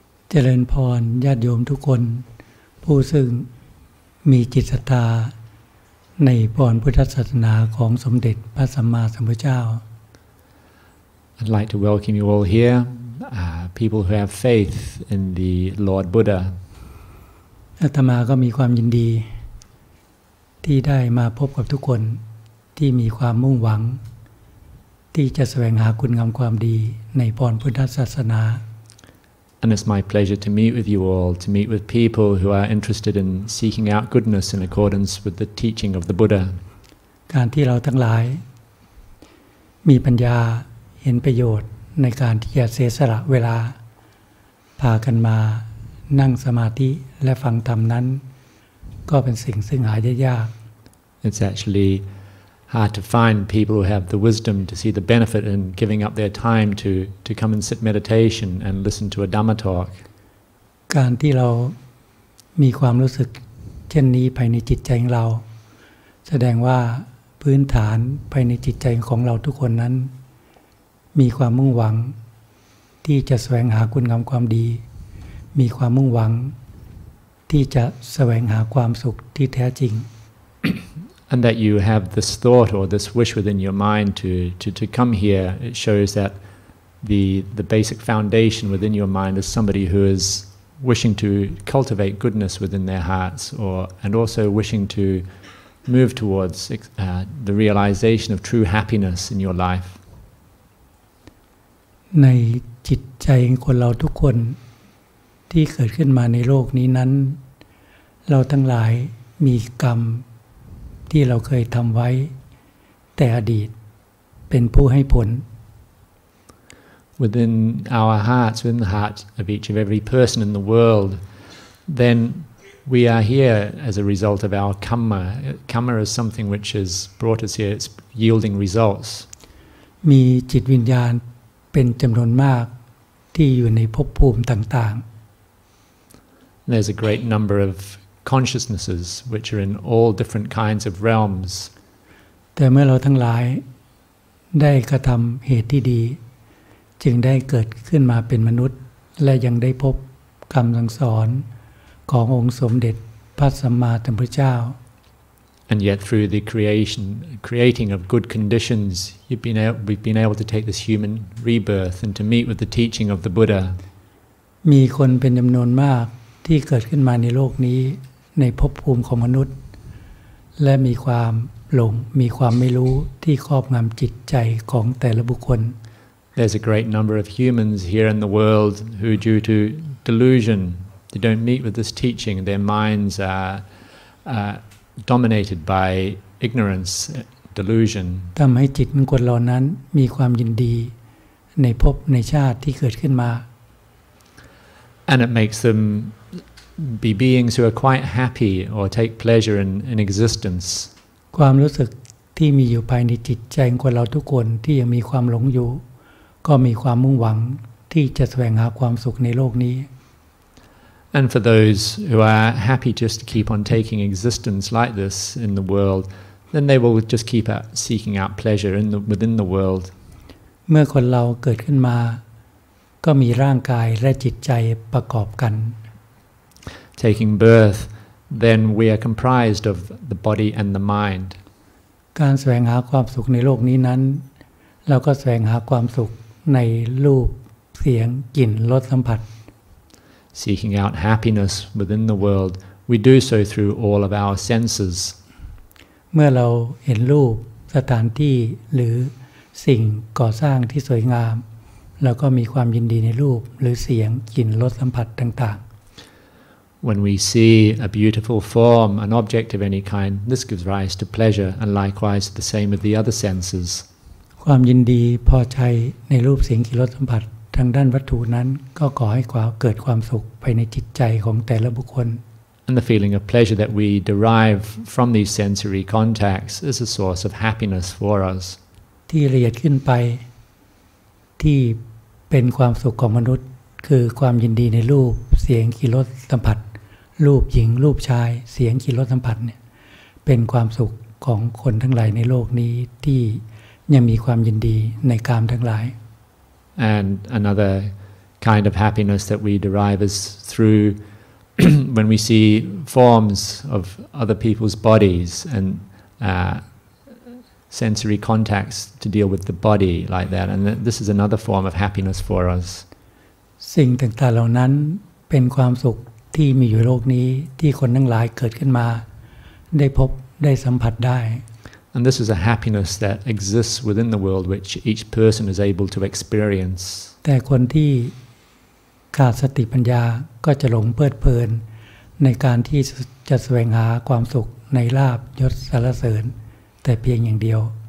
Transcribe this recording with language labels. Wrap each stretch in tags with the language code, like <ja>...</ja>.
<th>เจริญพรญาติโยมทุกคนผู้ซึ่งมีจิตศรัทธาในพรพุทธศาสนาของสมเด็จพระสัมมาสัมพุทธเจ้า</th> <en>I'd like to welcome you all here people who have faith in the Lord Buddha</en> <th>อาตมาก็มีความยินดีที่ได้มาพบกับทุกคนที่มีความมุ่งหวังที่จะแสวงหาคุณงามความดีในพรพุทธศาสนา</th> <en>And it's my pleasure to meet with you all, to meet with people who are interested in seeking out goodness in accordance with the teaching of the Buddha.</en> <th>การที่เราทั้งหลายมีปัญญาเห็นประโยชน์ในการที่จะเสียสละเวลาพากันมานั่งสมาธิและฟังธรรมนั้นก็เป็นสิ่งซึ่งหายยาก</th> <en>It's actually hard to find people who have the wisdom to see the benefit in giving up their time to come and sit meditation and listen to a Dhamma talk.</en> <th>การที่เรามีความรู้สึกเช่นนี้ภายในจิตใจของเราแสดงว่าพื้นฐานภายในจิตใจของเราทุกคนนั้นมีความมุ่งหวังที่จะแสวงหาคุณงามความดีมีความมุ่งหวังที่จะแสวงหาความสุขที่แท้จริง</th> <en>And that you have this thought or this wish within your mind to come here, it shows that the basic foundation within your mind is somebody who is wishing to cultivate goodness within their hearts and also wishing to move towards the realization of true happiness in your life.</en> <th>ในจิตใจคนเราทุกคนที่เกิดขึ้นมาในโลกนี้นั้นเราทั้งหลายมีกรรมที่เราเคยทำไว้แต่อดีตเป็นผู้ให้ผล</th> <en>Within our hearts, within the hearts of each of every person in the world, then we are here as a result of our karma. Karma is something which has brought us here. It's yielding results.</en> <th>มีจิตวิญญาณเป็นจำนวนมากที่อยู่ในภพภูมิต่าง</th> <en>ๆ There's a great number ofconsciousnesses which are in all different kinds of realms</en> <th>แต่เมื่อเราทั้งหลายได้กระทําเหตุที่ดีจึงได้เกิดขึ้นมาเป็นมนุษย์และยังได้พบคําสั่งสอนขององค์สมเด็จพระสัมมาสัมพุทธเจ้า</th> <en>And yet through the creating of good conditions we've been able to take this human rebirth and to meet with the teaching of the Buddha</en> <th>มีคนเป็นจํานวนมากที่เกิดขึ้นมาในโลกนี้ในภพภูมิของมนุษย์และมีความหลงมีความไม่รู้ที่ครอบงำจิตใจของแต่ละบุคคล</th> <en>There's a great number of humans here in the world who due to delusion they don't meet with this teaching their minds are dominated by ignorance delusion</en> <th>ทำให้จิตคนเหล่านั้นมีความยินดีในภพในชาติที่เกิดขึ้นมา</th> <en>And it makes them be beings who are quite happy or take pleasure in existence.</en> <th>ความรู้สึกที่มีอยู่ภายในจิตใจของเราทุกคนที่ยังมีความหลงอยู่ก็มีความมุ่งหวังที่จะแสวงหาความสุขในโลกนี้</th> <en>And for those who are happy just to keep on taking existence like this in the world, then they will just keep seeking out pleasure within the world.</en> <th>เมื่อคนเราเกิดขึ้นมาก็มีร่างกายและจิตใจประกอบกัน</th> <en>Taking birth then we are comprised of the body and the mind</en> <th>การแสวงหาความสุขในโลกนี้นั้นเราก็แสวงหาความสุขในรูปเสียงกลิ่นรสสัมผัส</th> <en>Seeking out happiness within the world we do so through all of our senses</en> <th>เมื่อเราเห็นรูปสถานที่หรือสิ่งก่อสร้างที่สวยงามแล้วก็มีความยินดีในรูปหรือเสียงกลิ่นรสสัมผัสต่าง</th> <en>ๆ When we see a beautiful form an object of any kind this gives rise to pleasure and likewise the same with the other senses</en> <th>ความยินดีพอใจในรูปเสียงกลิ่นรสสัมผัสทางด้านวัตถุนั้นก็ก่อให้เกิดความสุขภายในจิตใจของแต่ละบุคคล</th> <en>A And the feeling of pleasure that we derive from these sensory contacts is a source of happiness for us.</en> <th>ที่ละเอียดขึ้นไปที่เป็นความสุขของมนุษย์คือความยินดีในรูปเสียงกลิ่นรสสัมผัสรูปหญิงรูปชายเสียงกลิ่นรสสัมผัสเนี่ยเป็นความสุขของคนทั้งหลายในโลกนี้ที่ยังมีความยินดีในกามทั้งหลาย</th> <en>And another kind of happiness that we derive is throughwhen we see forms of other people's bodies and sensory contacts to deal with the body like that, and this is another form of happiness for us.</en> <th>สิ่งต่างๆเหล่านั้นเป็นความสุขที่มีอยู่โลกนี้ที่คนทั้งหลายเกิดขึ้นมาได้พบได้สัมผัสได้</th> <en>And this is a happiness that exists within the world, which each person is able to experience.</en> <th>แต่คนที่ขาดสติปัญญาก็จะหลงเพลิดเพลินในการที่จะแสวงหาความสุขในลาภยศสรรเสริญแต่เพียงอย่างเดียว</th>